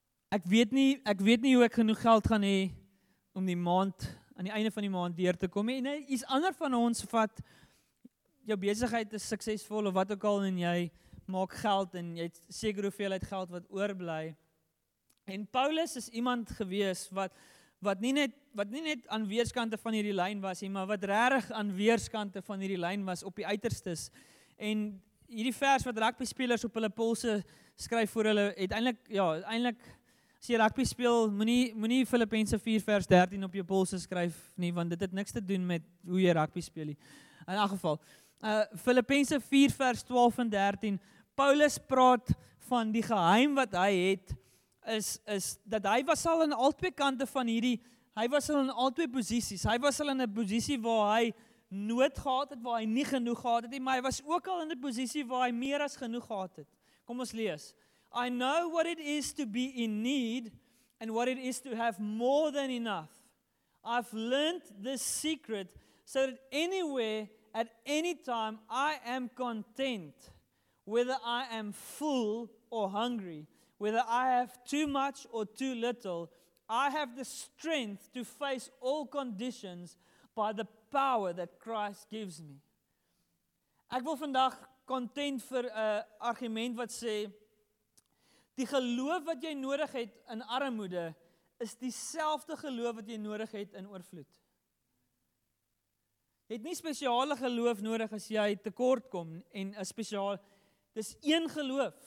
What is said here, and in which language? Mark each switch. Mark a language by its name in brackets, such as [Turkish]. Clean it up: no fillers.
[Afrikaans] ek weet nie hoe ek genoeg geld gaan hê om die maand, aan die einde van die maand deur te kom, en iets ander van ons wat jou besigheid is suksesvol of wat ook al, en jy maak geld en jy het seker hoeveelheid geld wat oorbly. En Paulus is iemand gewees wat nie net aan weerskante van hierdie lyn was nie, maar wat regtig aan weerskante van hierdie lyn was op die uiterstes. En hierdie vers wat rugby spelers op hulle polse skryf voor hulle het eintlik as jy rugby speel, moenie Filippense 4 vers 13 op jou polse skryf nie, want dit het niks te doen met hoe jy rugby speel nie. In elk geval Filippense 4 vers 12 en 13, Paulus praat van die geheim wat hy het, is dat hy was al aan al twee kante van hierdie, hy was al aan al twee posisies, hy was al in 'n posisie waar hy nood gehad het, waar hy nie genoeg gehad het, maar hy was ook al in 'n posisie waar hy meer as genoeg gehad het. Kom ons lees, [English] I know what it is to be in need and what it is to have more than enough. I've learned this secret so that anywhere, at any time, I am content, whether I am full or hungry, whether I have too much or too little. I have the strength to face all conditions by the power that Christ gives me. [Afrikaans] Ek wil vandag content vir 'n argument wat sê, die geloof wat jy nodig het in armoede, is dieselfde geloof wat jy nodig het in oorvloed. Jy het nie spesiale geloof nodig as jy tekort kom, en dis een geloof.